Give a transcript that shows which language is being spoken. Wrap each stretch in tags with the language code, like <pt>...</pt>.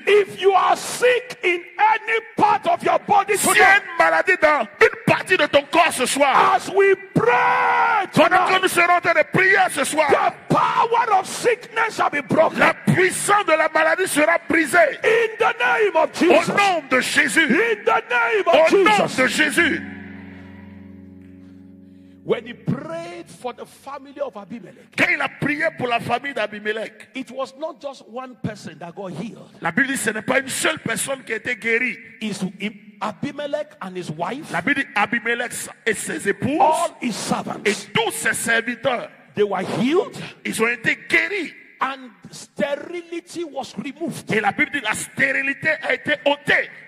<en>If you are sick in any part of your body,</en> <fr>si y a une maladie dans une partie de ton corps ce soir.</fr> <en>As we pray tonight,</en> <fr>pendant que nous serons en train de prier ce soir,</fr> <en>the power of sickness shall be broken.</en> <fr>La puissance de la maladie sera brisée.</fr> <en>In the name of Jesus.</en> <fr>Au nom de Jésus.</fr> <en>In the name of</en> <fr>au</fr> <en>Jesus.</en> <fr>Nom de Jésus.</fr> <en>When he prayed for the family of Abimelech,</en> <fr>quand il a prié pour la famille d'Abimelech,</fr> <en>it was not just one person that got healed.</en> <fr>La Bible dit ce n'est pas une seule personne qui a été guérie.</fr> <en>Is Abimelech and his wife,</en> <fr>la Bible dit Abimelech et ses épouses,</fr> <en>all his servants,</en> <fr>et tous ses serviteurs,</fr> <en>they were healed.</en> <fr>Ils ont été guéris.</fr> <en>And sterility was removed.</en> <fr>Et la Bible dit la stérilité a été ôtée.</fr>